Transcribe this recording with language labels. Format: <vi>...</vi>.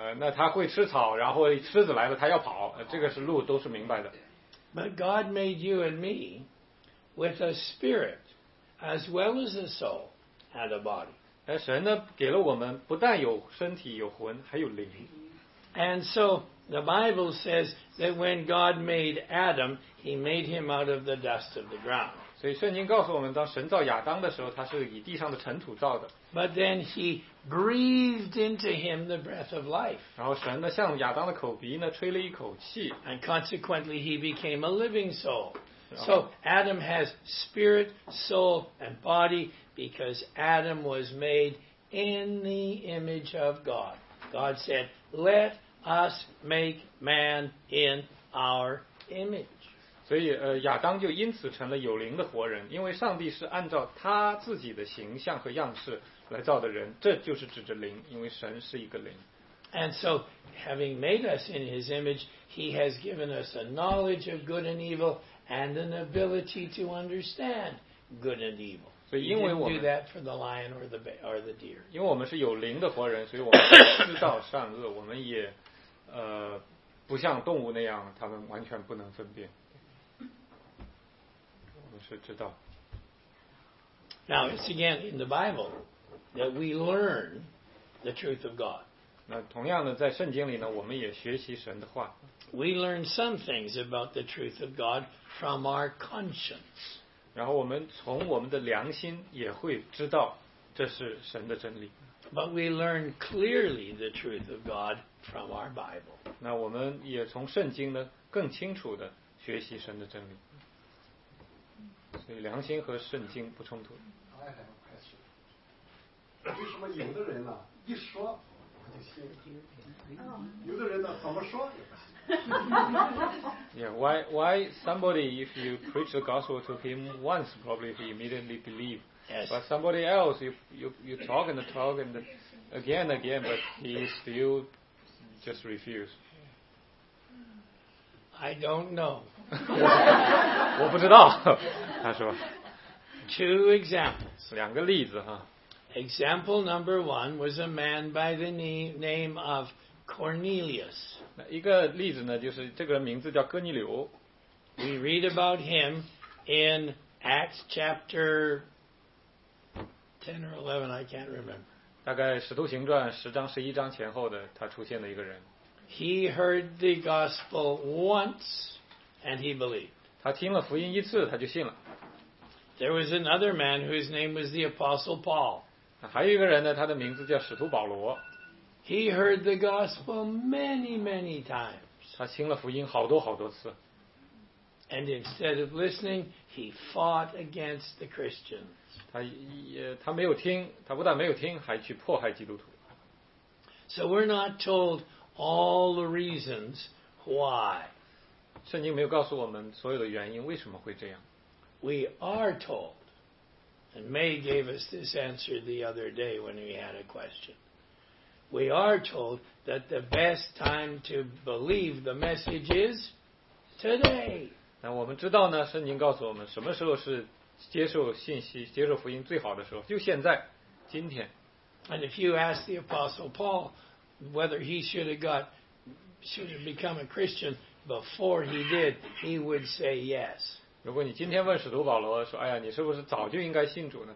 <zh>那它会吃草，然后狮子来了它要跑，这个是鹿都是明白的。</zh> <en>But God made you and me with a spirit as well as a soul and a body.</en> <zh>但神呢给了我们不但有身体有魂还有灵。</zh> <en>And so the Bible says that when God made Adam, he made him out of the dust of the ground.</en> <zh>所以圣经告诉我们当神造亚当的时候他是以地上的尘土造的。</zh> <en>But then he breathed into him the breath of life.</en> <zh>然后神呢向亚当的口鼻呢吹了一口气。</zh> <en>And consequently he became a living soul. So Adam has spirit, soul, and body because Adam was made in the image of God. God said, let us make man in our image.</en> <zh>所以亚当就因此成了有灵的活人，因为上帝是按照他自己的形象和样式来造的人，这就是指着灵，因为神是一个灵。</zh> <en>And so, having made us in his image, he has given us a knowledge of good and evil and an ability to understand good and evil. So, because we do that for the lion or the bear or the deer.</en> <zh>因为我们是有灵的活人，所以我们知道善恶，我们也不像动物那样，他们完全不能分辨。我们是知道。</zh> <en>Now, it's again in the Bible that we learn the truth of God.</en> <zh>那同样的，在圣经里呢，我们也学习神的话。</zh> <en>We learn some things about the truth of God from our conscience.</en> <zh>然后我们从我们的良心也会知道这是神的真理。</zh> <en>But we learn clearly the truth of God from our Bible.</en> <zh>那我们也从圣经呢更清楚地学习神的真理。所以良心和圣经不冲突。</zh> <en>I have a question.</en> <zh>为什么有的人呢、一说有的人呢怎么说也不行。</zh> <en>Yeah, why somebody, if you preach the gospel to him once, probably he immediately believe. Yes. But somebody else, you talk and talk and again and again, but he still just refuse. I don't know.</en> <zh>我不知道，他说。</zh> <en>Two examples.</en> <zh>两个例子哈。</zh> <en>Example number one was a man by the name of Cornelius.</en> <zh>那一个例子呢，就是这个人名字叫哥尼流。</zh> <en>We read about him in Acts chapter 10 or 11, I can't remember.</en> <zh>大概《使徒行传》十章、十一章前后的，他出现的一个人。</zh> <en>He heard the gospel once, and he believed.</en> <zh>他听了福音一次，他就信了。</zh> <en>There was another man whose name was the Apostle Paul.</en> <zh>还有一个人呢，他的名字叫使徒保罗。</zh> <en>He heard the gospel many, many times.</en> <zh>他听了福音好多好多次。</zh> <en>And instead of listening, he fought against the Christians.</en> <zh>他没有听，他不但没有听，还去迫害基督徒。</zh> <en>So we're not told all the reasons why.</en> <zh>圣经没有告诉我们所有的原因为什么会这样。</zh> <en>We are told, and May gave us this answer the other day when we had a question. We are told that the best time to believe the message is today.</en> <zh>那我们知道呢，圣经告诉我们什么时候是接受信息、接受福音最好的时候，就现在，今天。</zh> <en>And if you ask the Apostle Paul whether he should have become a Christian before he did, he would say yes.</en> <zh>如果你今天问使徒保罗说，哎呀，你是不是早就应该信主呢？</zh>